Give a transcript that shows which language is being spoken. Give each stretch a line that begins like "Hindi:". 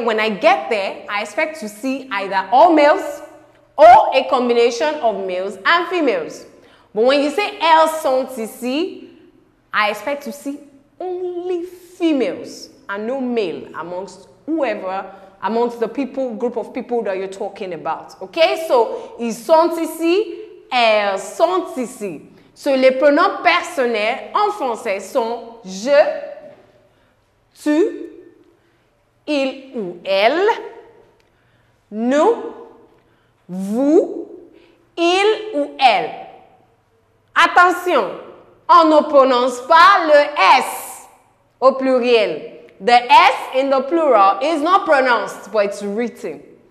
English: When I get there, I expect to see either all males or a combination of males and females. But when you say
French: elles sont ici,
English: I expect to see only females and no male amongst whoever, amongst the people, group of people that you're talking about. Okay, so
French: ils sont ici, elles sont ici. So les pronoms personnels en français sont je, tu, il ou elle, nous, vous, il ou elle. Attention, on ne prononce pas le S au pluriel.
English: The S in the plural is not pronounced, but it's written.